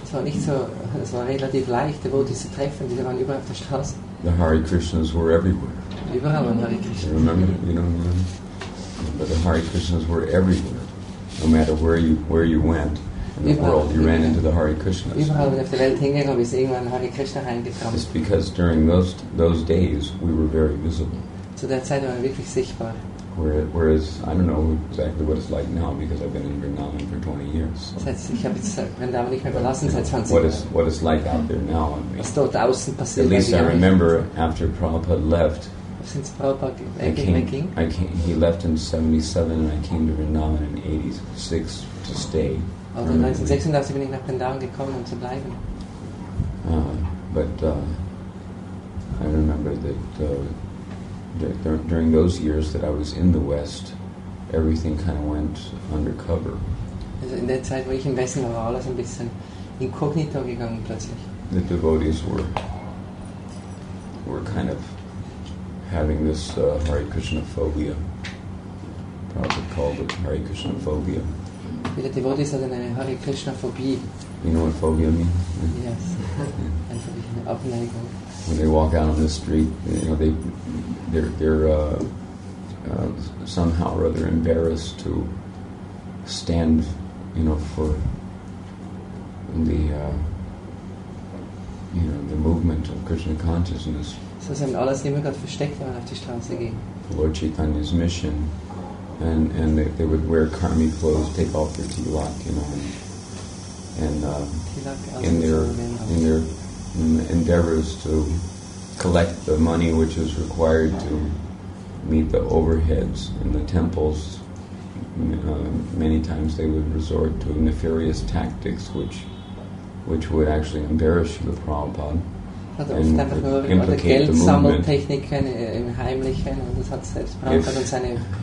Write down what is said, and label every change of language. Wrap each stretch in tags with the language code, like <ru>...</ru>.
<de>Es war relativ leicht, Devotees zu treffen. Die waren überall auf der Straße.</de> <en>The Hare Krishnas were everywhere.</en> <de>Überall waren Hare Krishnas.</de> <en>You remember? You know, but the Hare Krishnas were everywhere. No matter where you went in the world, you ran into the Hare Krishnas.</en> <de>Überall, wenn ich auf der Welt hinging, habe ich irgendwann Hare Krishna reingekommen.</de> <en>It's because during those days we were very visible.</en> <de>Zu der Zeit waren wir wirklich sichtbar.</de> <en>Whereas I don't know exactly what it's like now because I've been in Vrindavan for 20 years.</en> <de>Ich habe Vrindavan nicht mehr verlassen seit 20 Jahren.</de> <en>What is like out there now?</en> <de>Was dort außen passiert?</de> <en>At least I remember after Prabhupada left.</en> <de>Since Prabhupada ging.</de> <en>He left in 77 and I came to Vrindavan in 86 to stay.</en> <de>Also 1986 bin ich nach Vrindavan gekommen, um zu bleiben.</de> <en>I remember that during those years that I was in the West, everything kind of went undercover.</en> <de>Also in der Zeit, wo ich im Westen war, war alles ein bisschen inkognito gegangen plötzlich.</de> <en>The devotees were kind of having this Hare Krishna phobia. Prabhupada called it Hare Krishna phobia.</en> <de>Die Devotees hatten eine Hare Krishna Phobie.</de> <en>You know what phobia means?</en> <de>Yes. Einfach eine Abneigung.</de> <en>When they walk out on the street, you know, they're somehow or other embarrassed to stand, you know, for the movement of Krishna consciousness.</en> <de>So sie haben alles immer gerade versteckt, wenn man auf die Straße ging.</de> <en>Lord Chaitanya's mission. And they would wear karmi clothes, take off their tilak, you know, and in their endeavors to collect the money which is required to meet the overheads in the temples. Many times they would resort to nefarious tactics, which would actually embarrass the Prabhupada.</en> <de>Geld sammeln Techniken im Heimlichen, und das hat selbst Prabhupada und seine</de>